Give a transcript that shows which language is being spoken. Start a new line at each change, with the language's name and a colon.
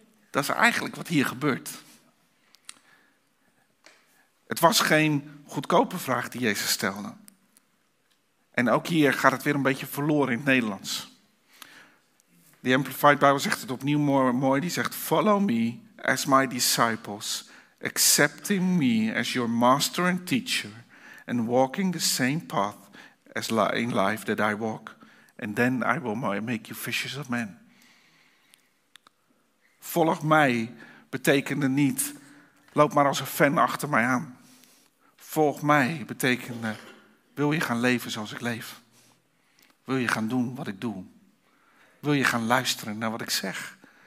Dutch: Dat is eigenlijk wat hier gebeurt. Het was geen goedkope vraag die Jezus stelde. En ook hier gaat het weer een beetje verloren in het Nederlands. De Amplified Bible zegt het opnieuw mooi.
English: Die zegt, follow me as my disciples, accepting me as your master and teacher, and walking the same path as in life that I walk, and then I will make you fishers of men.
Dutch: Volg mij betekende niet, loop maar als een fan achter mij aan. Volg mij betekende, wil je gaan leven zoals ik leef? Wil je gaan doen wat ik doe? Wil je gaan luisteren naar wat ik zeg?